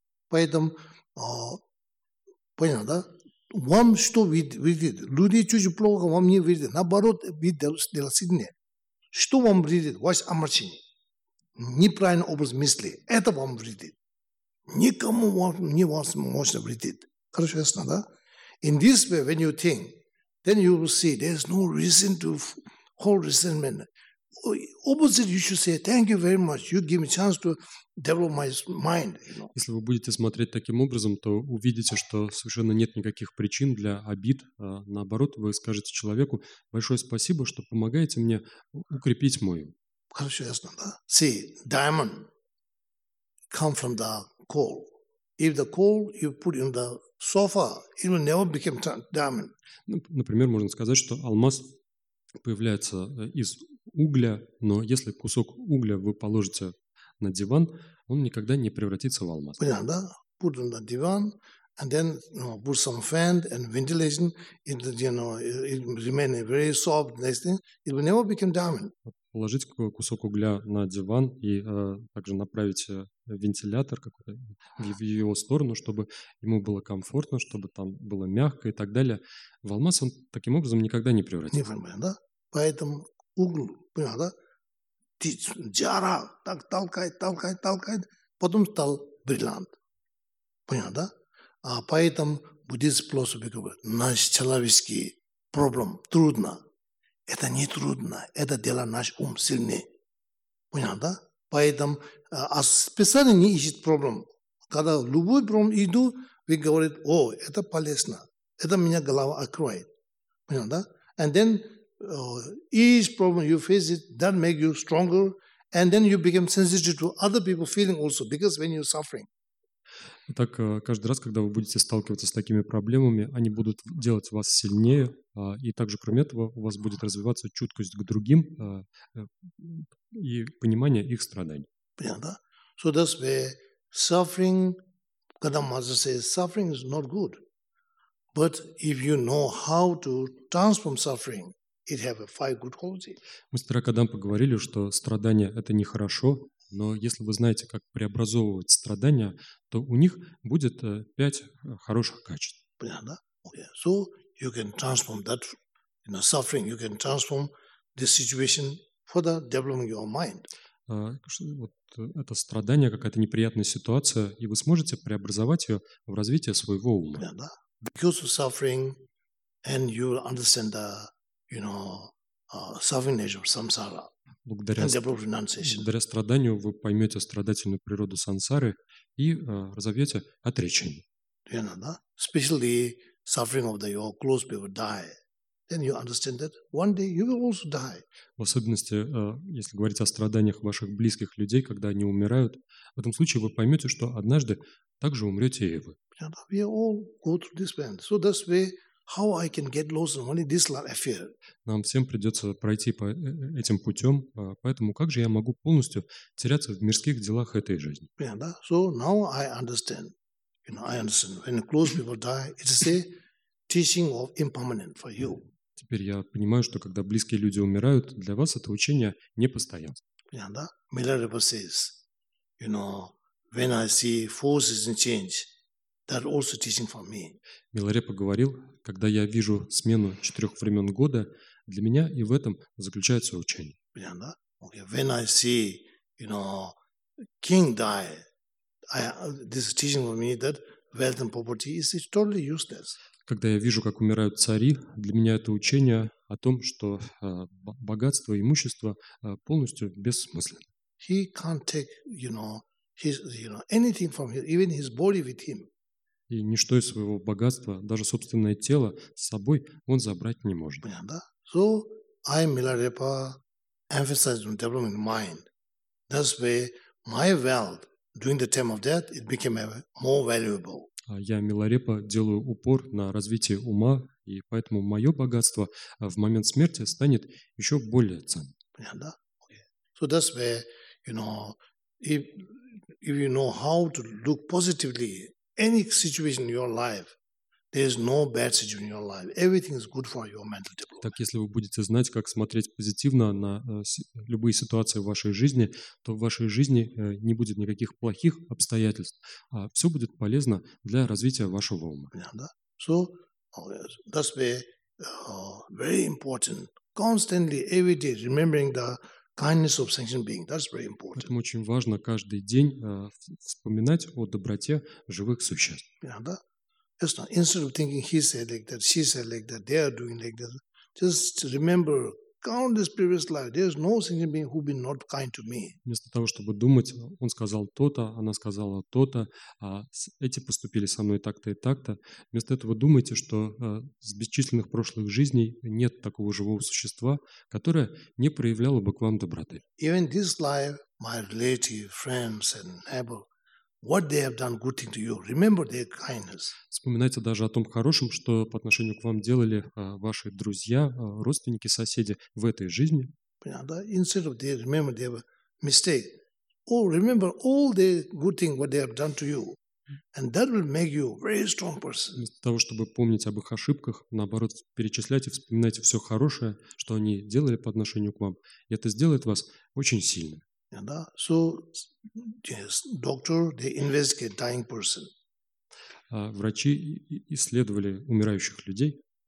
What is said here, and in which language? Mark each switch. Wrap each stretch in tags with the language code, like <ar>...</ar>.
<ru>Поэтому, понял, да? Вам что видит? Люди чуть плохо вам не видят. Наоборот, видят сильнее. Что вам вредит? Ваше омрачение. Неправильный образ мысли. Это вам вредит. Никому вам не вас можно вредить. Хорошо, ясно, да?</ru> <en>In this way, when you think, then you will see there is no reason to hold resentment. Opposite, you should say, thank you very much. You give me chance to develop my mind.</en> <ru>Если вы будете смотреть таким образом, то увидите, что совершенно нет никаких причин для обид. Наоборот, вы скажете человеку, большое спасибо, что помогаете мне укрепить мой. Хорошо, ясно, да?</ru> <en>See, diamond comes from the coal. If the coal you put in the sofa, it will never become diamond.</en> <ru>Например, можно сказать, что алмаз появляется из угля, но если кусок угля вы положите на диван, он никогда не превратится в алмаз. Понятно, да?</ru> <en>Put on the divan, and then put some fan and ventilation, it remain very soft, nice thing, it will never become diamond.</en> <ru>Положить кусок угля на диван и также направить вентилятор какой-то в его сторону, чтобы ему было комфортно, чтобы там было мягко и так далее. В алмаз он таким образом никогда не превратится. Не понимаю, да? Поэтому угол, понимаешь, да? Джара так толкает, потом стал бриллиант. Понял, да? А поэтому буддист способ говорит, наш человеческий проблем трудно. Это не трудно, это дело наш ум сильнее. Понял, да? Поэтому специально не ищет проблем. Когда любой проблем иду, вы говорите, о, это полезно. Это меня голова открывает. Понял, да?</ru> <en>And then each problem you face it, that make you stronger, and then you become sensitive to other people's feeling also, because when you're suffering.</en> <ru>Итак, каждый раз, когда вы будете сталкиваться с такими проблемами, они будут делать вас сильнее, и также, кроме этого, у вас будет развиваться чуткость к другим и понимание их страданий. Понятно, да?</ru> <en>So that's where suffering, когда Мазар says, suffering is not good. But if you know how to transform suffering, it have a five good qualities.</en> <ru>Мы с Тракадампа говорили, что страдания – это нехорошо, но если вы знаете, как преобразовывать страдания, то у них будет пять хороших качеств. Понятно, да? Okay.</ru> <en>So you can transform that, you know, suffering, you can transform this situation for the development of your mind.</en> <ru>Вот это страдание, какая-то неприятная ситуация, и вы сможете преобразовать ее в развитие своего ума. Понятно, да?</ru> <en>Because of suffering, and you understand the, you know, suffering nature of samsara.</en> <ru>Благодаря страданию вы поймете страдательную природу сансары и разовьете отречение. Верно, да?</ru> <en>Especially suffering of the your close people die. Then you understand that one day you will also die.</en> <ru>В особенности, если говорить о страданиях ваших близких людей, когда они умирают, в этом случае вы поймете, что однажды также умрете и вы.</ru> <en>We all go through this path. So that's way. How I can get lost in only this life affair?</en> <ru>Нам всем придется пройти по этим путем, поэтому как же я могу полностью теряться в мирских делах этой жизни? Понятно, да?</ru> <en>So now I understand. You know, I understand. When close people die, it's a teaching of impermanent for you.</en> <ru>Теперь я понимаю, что когда близкие люди умирают, для вас это учение непостоянно. Понятно, да?</ru> <en>Milarepa says, you know, when I see forces and change, that also teaching for me.</en> <ru>Миларепа говорил, когда я вижу смену четырех времен года, для меня и в этом заключается учение. Понятно, да? Okay.</ru> <en>When I see, you know, king die, this is teaching for me that werden Poverty ist es totally useless.</en> <ru>Когда я вижу, как умирают цари, для меня это учение о том, что богатство, имущество полностью бессмысленно.</ru> <en>He can't take, you know, his, you know, anything from him, even his body with him.</en> <ru>И ничто из своего богатства, даже собственное тело с собой, он забрать не может. Понятно?</ru> <en>So I, Milarepa, emphasize on developing mind. That's where my wealth during the time of death it became more valuable.</en> <ru>Я, Миларепа, делаю упор на развитие ума, и поэтому мое богатство в момент смерти станет еще более ценным. Понятно? Okay.</ru> <en>So that's where, you know, if you know how to look positively any situation in your life, there is no bad situation in your life. Everything is good for your mental development.</en> <ru>Так, если вы будете знать, как смотреть позитивно на любые ситуации в вашей жизни, то в вашей жизни не будет никаких плохих обстоятельств. А все будет полезно для развития вашего ума.</ru> <en>Да? So, that's why, very important. Constantly, every day, remembering the kindness of sentient being. That's very important.</en> <ru>Поэтому очень важно каждый день вспоминать о доброте живых существ. Да?</ru> <en>Just not, instead of thinking he said like that, she said like that, they are doing like that. Just remember, count this previous life. There is no sentient being who been not kind to me.</en> <ru>Вместо того, чтобы думать, он сказал то-то, она сказала то-то, а эти поступили со мной так-то и так-то. Вместо этого думайте, что с бесчисленных прошлых жизней нет такого живого существа, которое не проявляло бы к вам доброты.</ru> <en>Even this life, my relative, friends and neighbor, what they have done good thing to you. Remember their kindness.</en> <ru>Вспоминайте даже о том хорошем, что по отношению к вам делали ваши друзья, родственники, соседи в этой жизни. Понятно?</ru> <en>Instead of they remember their mistake. Oh, remember all the good things what they have done to you. And that will make you a very strong person.</en> <ru>Вместо того, чтобы помнить об их ошибках, наоборот, перечисляйте, вспоминайте все хорошее, что они делали по отношению к вам. И это сделает вас очень сильным.</ru> <en>Да? So, yes, doctor, they investigate dying person.</en> <ru>Врачи исследовали умирающих людей.</ru>